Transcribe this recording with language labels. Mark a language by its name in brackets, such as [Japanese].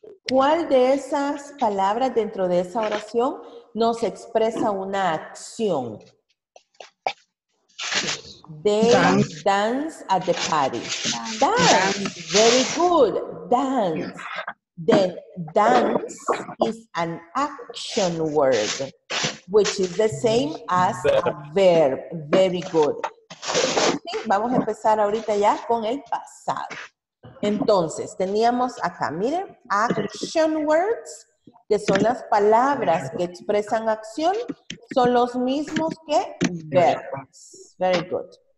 [Spanish] ¿Cuál de esas palabras dentro de esa oración nos expresa una acción? [English] They dance at the party. Dance. Very good. Dance. then dance is an action word, which is the same as a verb. Very good. ¿Sí? [Spanish] Vamos a empezar ahorita ya con el pasado. Entonces, teníamos acá, miren, [English] action words, [Spanish] que son las palabras que expresan acción, son los mismos que verbs. [English] Very good.